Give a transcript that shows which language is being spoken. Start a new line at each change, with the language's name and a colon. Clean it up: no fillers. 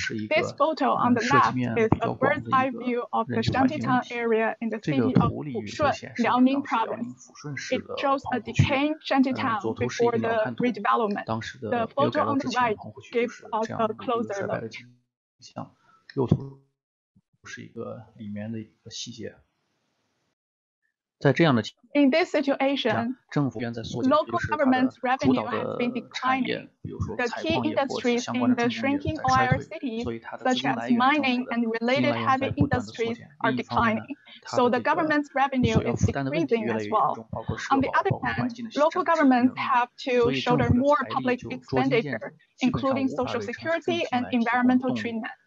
English: This photo on the left is a bird's-eye view of the shantytown area in the city of Fushun, Liaoning province. It shows a decaying shantytown before the redevelopment. The photo on the right gives us a closer look.
Chinese: 是一个里面的一个细节。在这样的情况下，
English: In this situation, local government's revenue has been declining. The key industries in the shrinking OIR cities, such as mining and related heavy industries, are declining. So the government's revenue is decreasing as well. On the other hand, local governments have to shoulder more public expenditure, including social security and environmental treatment.